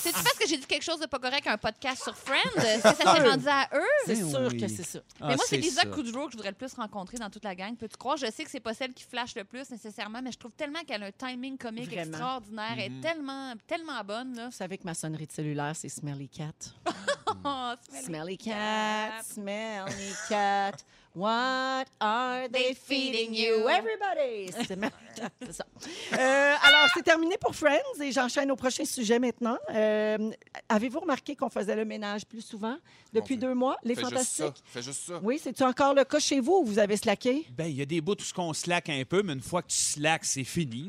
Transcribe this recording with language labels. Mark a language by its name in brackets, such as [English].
[French] C'est-tu parce que j'ai dit quelque chose de pas correct à un podcast sur Friends? Est-ce que ça s'est rendu à eux? C'est sûr que c'est ça. Mais moi, c'est Lisa Kudrow que je voudrais le plus rencontrer dans toute la gang. Peux-tu croire? Je sais que c'est pas celle qui flash le plus nécessairement, mais je trouve tellement qu'elle a un timing comique extraordinaire. Elle est tellement, tellement bonne. Vous savez que ma sonnerie de cellulaire, c'est Smelly Cat. [English] Smelly Cat, Smelly Cat. What are they feeding you, everybody? [French] C'est ça. Alors, c'est terminé pour Friends et j'enchaîne au prochain sujet maintenant. Avez-vous remarqué qu'on faisait le ménage plus souvent depuis 2 mois? Les fait Fantastiques? Fais juste ça. Oui, c'est-tu encore le cas chez vous ou vous avez slacké? Bien, il y a des bouts où ce qu'on slack un peu, mais une fois que tu slacks, c'est fini.